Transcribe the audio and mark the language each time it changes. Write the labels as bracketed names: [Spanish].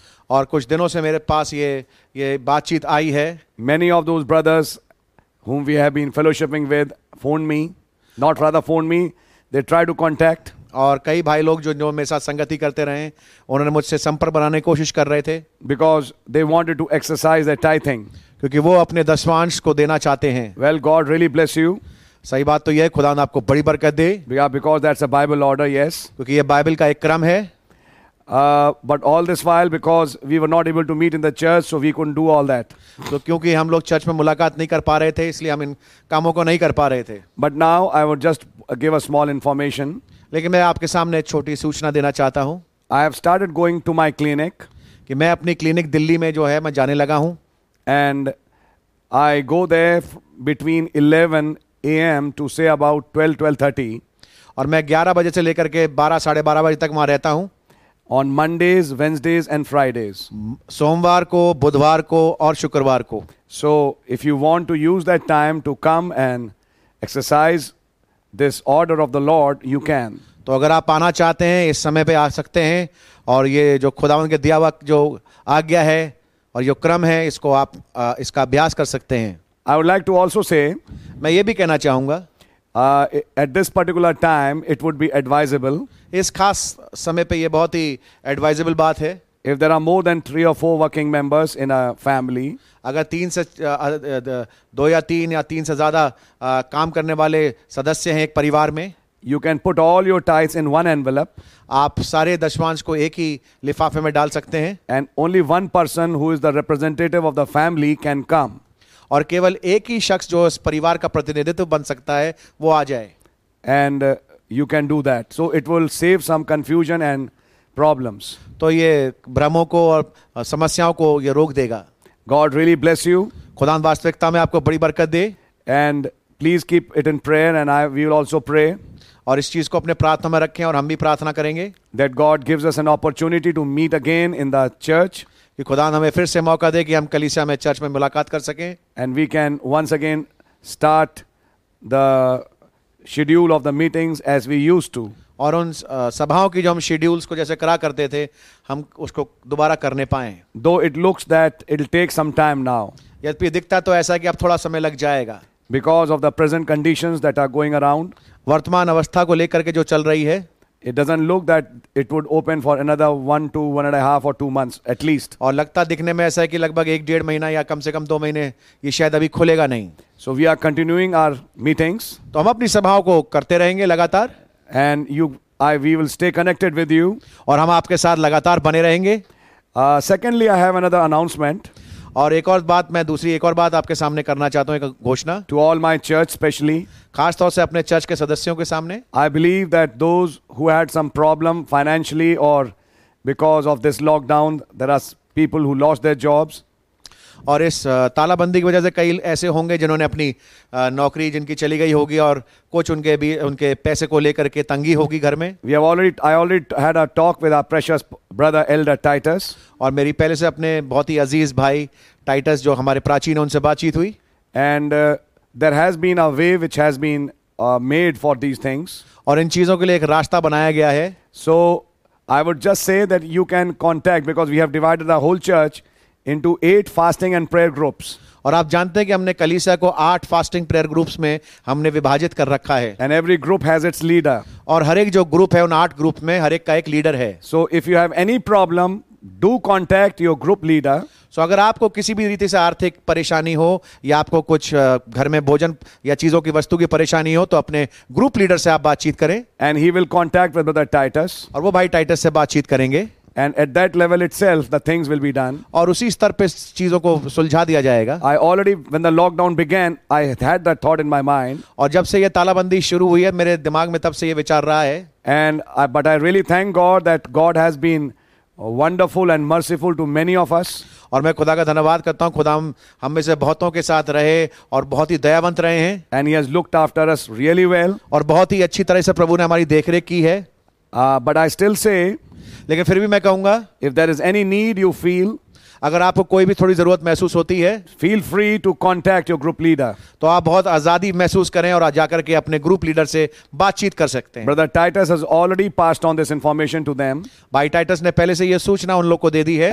[Hindi] और कुछ दिनों से मेरे पास ये बातचीत आई है. [English] Many of those brothers whom we have been fellowshipping with phoned me. They tried to contact. [Hindi] और कई भाई लोग जो मेरे साथ संगति करते रहे, उन्होंने मुझसे संपर्क बनाने की कोशिश कर रहे थे. [English] Because they wanted to exercise their tithing. [Hindi] क्योंकि वो अपने दशमांश को देना चाहते हैं [English] well God really bless you [Hindi] सही बात तो यह है खुदा ने आपको बड़ी बरकत दे [English] because that's a Bible order yes [Hindi] क्योंकि ये बाइबल का एक क्रम है [English] but all this while because we were not able to meet in the church so we couldn't do all that [Hindi] तो क्योंकि हम लोग चर्च में मुलाकात नहीं कर पा रहे थे इसलिए हम इन कामों को नहीं कर पा रहे थे [English] but now I would just give a small information [Hindi] लेकिन मैं आपके सामने छोटी सूचना देना चाहता हूँ [English] I have started going to my clinic [Hindi] कि मैं अपनी क्लिनिक दिल्ली में जो है मैं जाने लगा हूँ [English] And I go there between 11 a.m. to say about 12:30. [Hindi] और मैं 11 बजे से लेकर के 12:30 बजे तक वहाँ रहता हूँ. [English] On Mondays, Wednesdays, and Fridays. [Hindi] सोमवार को, बुधवार को और शुक्रवार को. [English] So if you want to use that time to come and exercise this order of the Lord, you can. [Hindi] तो अगर आप आना चाहते हैं इस समय पे आ सकते हैं और ये जो खुदावंद के दिया हुआ जो आज्ञा है और जो क्रम है इसको आप इसका अभ्यास कर सकते हैं [English] I would like to also say [Hindi] मैं ये भी कहना चाहूंगा [English] At this particular time, it would be advisable. [Hindi] इस खास समय पे ये बहुत ही advisable बात है. [English] If there are more than three or four working members in a family, [Hindi] अगर तीन से दो या तीन से ज़्यादा काम करने वाले सदस्य हैं एक परिवार में, [English] you can put all your tithes in one envelope. [Hindi] आप सारे दशमांश को एक ही लिफाफे में डाल सकते हैं. [English] And only one person who is the representative of the family can come. [Hindi] और केवल एक ही शख्स जो इस परिवार का प्रतिनिधित्व बन सकता है वो आ जाए. [English] And you can do that, so it will save some confusion and problems. [Hindi] तो ये भ्रमों को और समस्याओं को ये रोक देगा. [English] God really bless you. [Hindi] खुदा वास्तविकता में आपको बड़ी बरकत दे. [English] And please keep it in prayer and I we will also pray. [Hindi] और इस चीज को अपने प्रार्थना में रखें और हम भी प्रार्थना करेंगे. [English] That God gives us an opportunity to meet again in the church. [Hindi] कि खुदा हमें फिर से मौका दे कि हम कलीसिया में चर्च में मुलाकात कर सकें. [English] And we can once again start the schedule of the meetings as we used to. [Hindi] और उन सभाओं की जो हम शेड्यूल्स को जैसे करा करते थे हम उसको दोबारा करने पाएं. [English] Though it looks that it will take some time now. [Hindi] यद्यपि दिखता तो ऐसा है कि अब थोड़ा समय लग जाएगा. [English] because of the present conditions that are going around, [Hindi] वर्तमान अवस्था को लेकर के जो चल रही है, [English] it doesn't look that it would open for another 1 to 1.5 or 2 months at least. [Hindi] और लगता दिखने में ऐसा है कि लगभग एक डेढ़ महीना या कम से कम दो महीने ये शायद अभी खुलेगा नहीं. [English] So we are continuing our meetings. [Hindi] तो हम अपनी सभाओं को करते रहेंगे लगातार. [English] And we will stay connected with you. [Hindi] और हम आपके साथ लगातार बने रहेंगे. [English] Secondly, I have another announcement. [Hindi] और एक और बात मैं दूसरी एक और बात आपके सामने करना चाहता हूँ, एक घोषणा. [English] To all my church specially, [Hindi] खासतौर से अपने चर्च के सदस्यों के सामने. [English] I believe that those who had some problem financially or because of this lockdown, there are people who lost their jobs. [Hindi] और इस तालाबंदी की वजह से कई ऐसे होंगे जिन्होंने अपनी नौकरी जिनकी चली गई होगी और कुछ उनके भी उनके पैसे को लेकर के तंगी होगी घर में. [English] We have already, I already had a talk with our precious brother elder Titus. [Hindi] और मेरी पहले से अपने बहुत ही अजीज भाई टाइटस जो हमारे प्राचीन, उनसे बातचीत हुई. [English] And there has been a way which has been made for these things. [Hindi] और इन चीजों के लिए एक रास्ता बनाया गया है. [English] So I would just say that you can contact because we have divided the whole church into 8 fasting and prayer groups. [Hindi] और आप जानते हैं कि हमने कलीसिया को 8 fasting prayer groups में हमने विभाजित कर रखा है. [English] And every group has its leader. [Hindi] और हर एक जो ग्रुप है उन 8 ग्रुप में हर एक का एक लीडर है. [English] So if you have any problem, do contact your group leader. [Hindi] So अगर आपको किसी भी रीति से आर्थिक परेशानी हो या आपको कुछ घर में भोजन या चीजों की वस्तु की परेशानी हो तो अपने ग्रुप लीडर से आप बातचीत करें. [English] And he will contact with brother Titus. [Hindi] और वो भाई टाइटस से बातचीत करेंगे. [English] And at that level itself, the things will be done. [Hindi] और उसी स्तर पे चीजों को सुलझा दिया जाएगा. [English] I already, when the lockdown began, I had that thought in my mind. [Hindi] और जब से ये तालाबंदी शुरू हुई है मेरे दिमाग में तब से ये विचार रहा है. [English] And I really thank God that God has been wonderful and merciful to many of us. [Hindi] और मैं खुदा का धन्यवाद करता हूँ, खुदा हम में से बहुतों के साथ रहे और बहुत ही दयावंत रहे हैं. [English] And He has looked after us really well. [Hindi] और बहुत ही अच्छी तरह से प्रभु ने हमारी देखरेख की है. [English] But I still say, [Hindi] लेकिन फिर भी मैं कहूंगा, [English] if there is any need you feel, [Hindi] अगर आपको कोई भी थोड़ी जरूरत महसूस होती है, [English] feel free to contact your group leader. [Hindi] तो आप बहुत आजादी महसूस करें और जाकर के अपने ग्रुप लीडर से बातचीत कर सकते हैं. [English] Brother Titus has already passed on this information to them. [Hindi] भाई टाइटस ने पहले से यह सूचना उन लोग को दे दी है.